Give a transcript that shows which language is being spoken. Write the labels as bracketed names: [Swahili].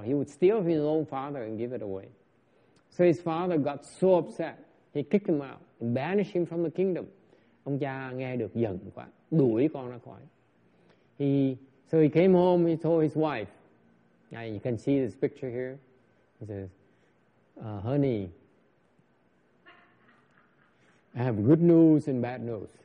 [English] He would steal his own father and give it away. So his father got so upset, he kicked him out and banished him from the kingdom. [Vietnamese] Ông cha nghe được giận quá, đuổi con ra khỏi. [English] So he came home, he told his wife, and you can see this picture here. He says, honey, I have good news and bad news.